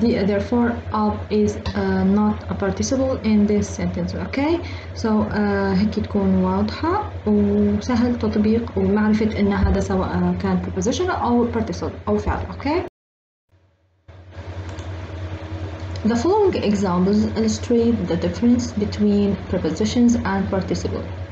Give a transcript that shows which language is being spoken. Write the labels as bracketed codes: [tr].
[en] Therefore, up is not a participle in this sentence. Okay. [ar] So هيك تكون واضحة وسهل تطبيق ومعرفة إن هذا سواء كان preposition أو participle أو فعل. Okay. [en] The following examples illustrate the difference between prepositions and participle.